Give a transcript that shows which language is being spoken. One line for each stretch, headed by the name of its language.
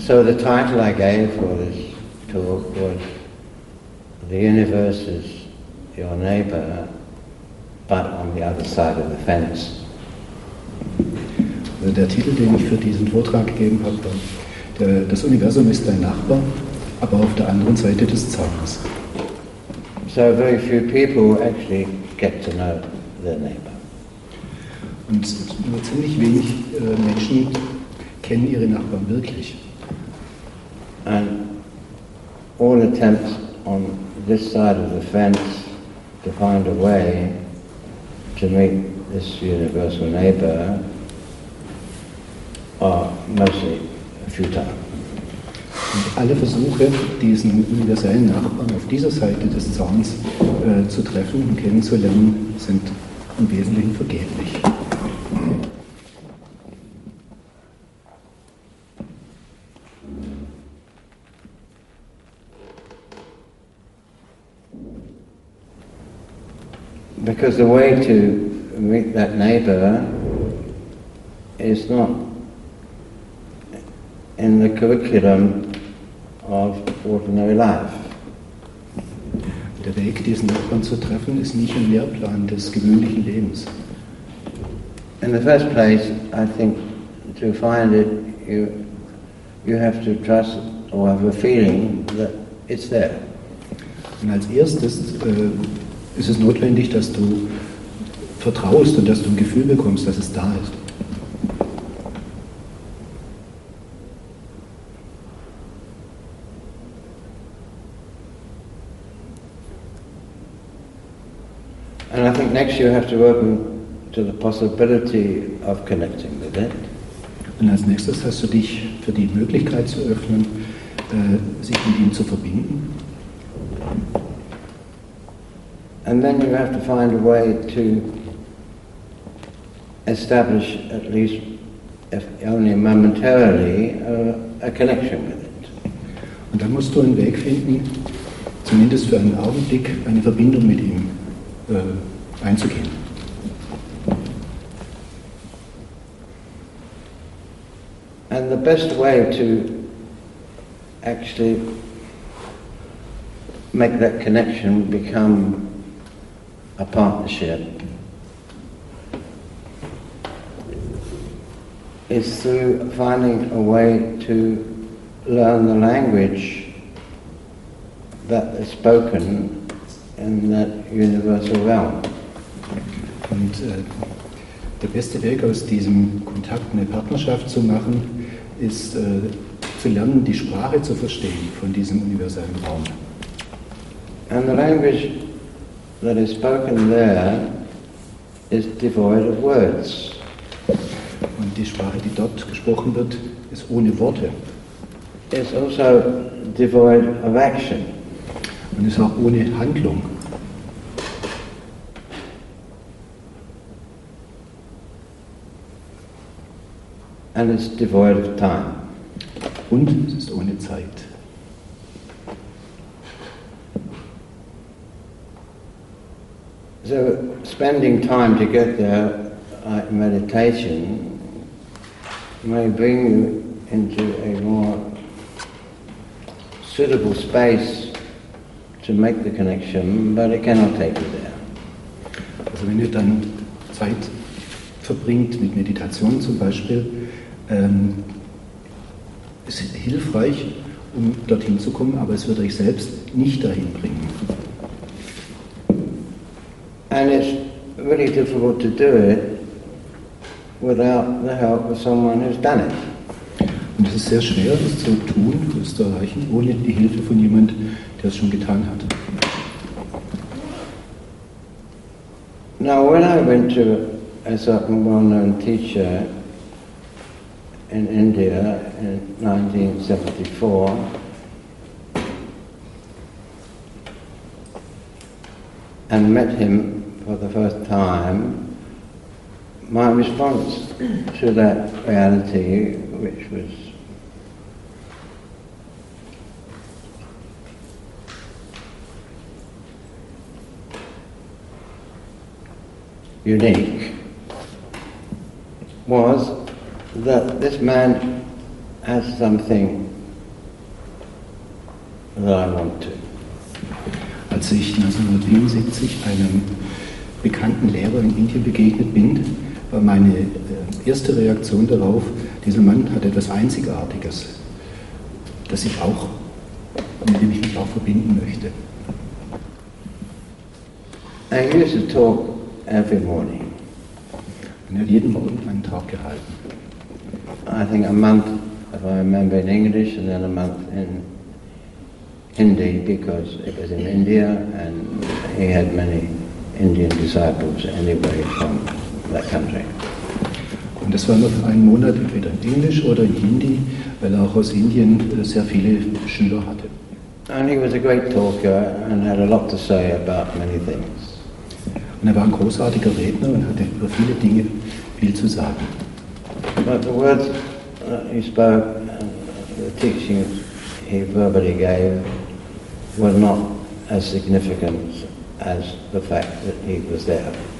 English: So the title I gave for this talk was The Universe is Your Neighbor, but on the Other Side of the Fence.
German: Also der Titel, den ich für diesen Vortrag gegeben habe, war Das Universum ist dein Nachbar, aber auf der anderen Seite des Zauns.
English: So very few people actually get to know their neighbor.
German: Und nur ziemlich wenig Menschen kennen ihre Nachbarn wirklich.
English: And all attempts on this side of the fence to find a way to meet this universal neighbor are mostly futile.
German: Und alle Versuche, diesen universellen Nachbarn auf dieser Seite des Zauns zu treffen und kennenzulernen, sind im Wesentlichen vergeblich.
English: Because the way to meet that neighbor is not in the curriculum of ordinary life.
German: Der Weg, diesen Nachbarn zu treffen, ist nicht im Lehrplan des gewöhnlichen Lebens.
English: In the first place, I think to find it, you have to trust or have a feeling that it's there.
German: Und als erstes ist es notwendig, dass du vertraust und dass du ein Gefühl bekommst, dass es da ist.
English: And I think next you have to open to the possibility of connecting with it.
German: Und als nächstes hast du dich für die Möglichkeit zu öffnen, sich mit ihm zu verbinden.
English: And then you have to find a way to establish at least, if only momentarily, a connection with it.
German: Und dann musst du einen Weg finden, zumindest für einen Augenblick eine Verbindung mit ihm einzugehen.
English: And the best way to actually make that connection become a partnership is through finding a way to learn the language that is spoken in that universal realm.
German: Und der beste Weg, aus diesem Kontakt eine Partnerschaft zu machen, ist zu lernen, die Sprache zu verstehen von diesem universellen Raum.
English: And the language that is spoken there is devoid of words.
German: Und die Sprache, die dort gesprochen wird, ist ohne Worte.
English: It's also devoid of action.
German: Und ist auch ohne Handlung.
English: And it's devoid of time.
German: Und es ist ohne Zeit.
English: So spending time to get there, like meditation, may bring you into a more suitable space to make the connection, but it cannot take you there.
German: Also wenn ihr dann Zeit verbringt mit Meditation zum Beispiel, ist es hilfreich, um dorthin zu kommen, aber es wird euch selbst nicht dahin bringen.
English: And it's really difficult to do it without the help of someone who's done it.
German: Und es ist sehr schwer, das zu tun, das zu erreichen, ohne die Hilfe von jemand, der es schon getan hat.
English: Now, when I went to a certain well-known teacher in India in 1974 and met him for the first time, my response to that reality, which was unique, was that this man has something that I want to.
German: Als ich 1974 einem bekannten Lehrer in Indien begegnet bin, war meine erste Reaktion darauf, dieser Mann hat etwas Einzigartiges, das ich auch, mit dem ich mich auch verbinden möchte.
English: I used to talk every morning.
German: Und er hat jeden Morgen einen Talk gehalten.
English: I think a month, if I remember in English, and then a month in Hindi, because it was in India and he had many Indian disciples anyway from that country.
German: Und das war nur für einen Monat, entweder in Englisch oder in Hindi, weil er auch aus Indien sehr viele Schüler hatte.
English: And he was a great talker and had a lot to say about many things.
German: Und er war ein großartiger Redner und hatte über viele Dinge viel zu sagen.
English: But the words he spoke and the teachings he verbally gave were not as significant as the fact that he was there.